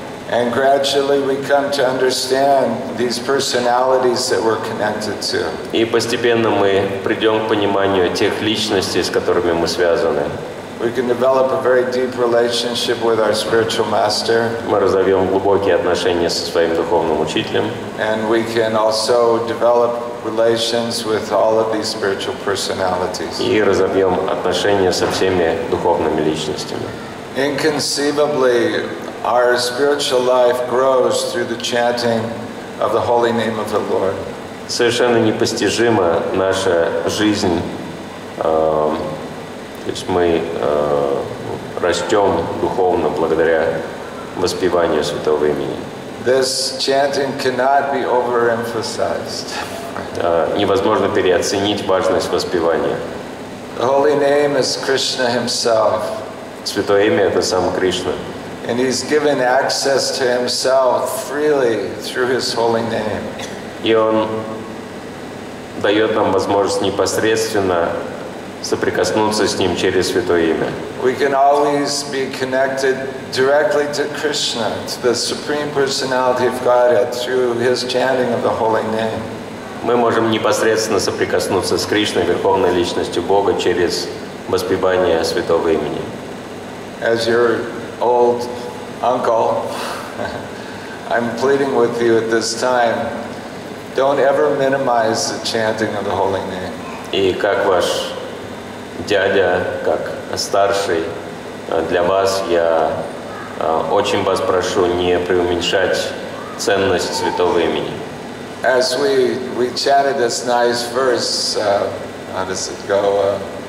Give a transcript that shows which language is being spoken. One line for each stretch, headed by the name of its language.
English: And gradually we come to understand these personalities that we're connected to.
Russian: И постепенно мы придём к пониманию тех личностей, с которыми мы связаны.
English: We can develop a very deep relationship with our spiritual master.
Russian: Мы разовём глубокие отношения со своим духовным учителем.
English: And we can also develop relations with all of these spiritual personalities.
Russian: И разовём отношения со всеми духовными личностями.
English: Inconceivably, our spiritual life grows through the chanting of the holy name of the Lord.
Russian: Совершенно непостижимо наша жизнь, то есть мы растем духовно благодаря воспеванию святого имени.
English: This chanting cannot be overemphasized.
Russian: Невозможно переоценить важность воспевания.
English: The holy name is Krishna himself.
Russian: Святое имя — это сам Кришна.
English: And he's given access to himself freely through his holy name.
Russian: И он дает нам возможность непосредственно соприкоснуться с ним через святое имя.
English: We can always be connected directly to Krishna, to the supreme personality of Godhead, through his chanting of the holy name.
Russian: Мы можем непосредственно соприкоснуться с Кришной, верховной личностью Бога, через воспевание святого имени.
English: As your old uncle, I'm pleading with you at this time, don't ever minimize the chanting of the holy name.
Russian: И как ваш дядя, как старший, для вас я очень вас прошу не преуменьшать ценность святого имени.
English: As we chanted this nice verse, how does it go?